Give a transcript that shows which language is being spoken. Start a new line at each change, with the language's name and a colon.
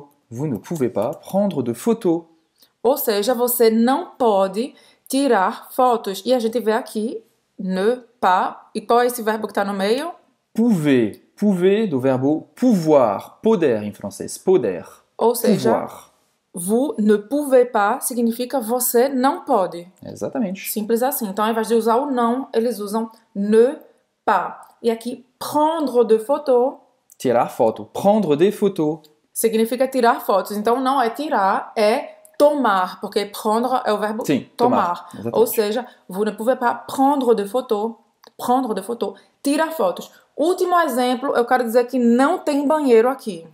French: Vous ne pouvez pas prendre de photos.
Portuguese: Ou seja, você não pode tirar fotos. E a gente vê aqui, ne pas. E qual é esse verbo que está no meio?
French: Pouvez.
Portuguese: Pouvez, do verbo pouvoir. Poder, em francês. Poder. Ou seja... Pouvoir.
French: Vous ne pouvez pas
Portuguese: significa você não pode. Exatamente. Simples assim. Então, ao invés de usar o não, eles usam ne pas. E aqui,
French: prendre de photo.
Portuguese: Tirar foto.
French: Prendre des photos.
Portuguese: Significa tirar fotos. Então, não é tirar, é tomar. Porque prendre é o verbo sim, tomar. Exatamente. Ou seja,
French: vous ne pouvez pas prendre de photo. Prendre de photo.
Portuguese: Tirar fotos. Último exemplo, eu quero dizer que não tem banheiro aqui.